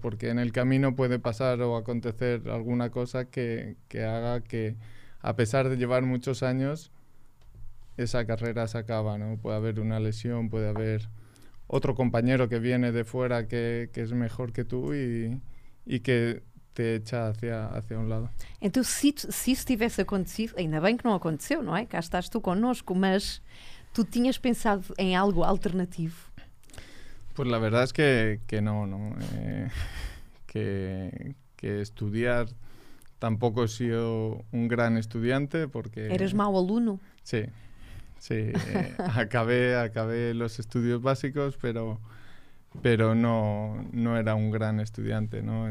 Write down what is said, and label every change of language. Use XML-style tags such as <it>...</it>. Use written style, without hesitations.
<es>Porque en el camino puede pasar o acontecer alguna cosa que haga que, a pesar de llevar muchos años, esa carrera se acaba, ¿no? Puede haber una lesión, puede haber otro compañero que viene de fuera que es mejor que tú y que te echa hacia un lado.</es> <pt>Entonces, si isso tivesse acontecido, ainda bem que não aconteceu, não é? Cá estás tú conosco, mas tú tinhas pensado em algo alternativo?</pt> <es>Pues la verdad es que no, ¿no? Que estudiar tampoco he sido un gran estudiante porque... ¿Eres mau aluno? Sí, sí. acabé los estudios básicos, pero no era un gran estudiante, ¿no?</es>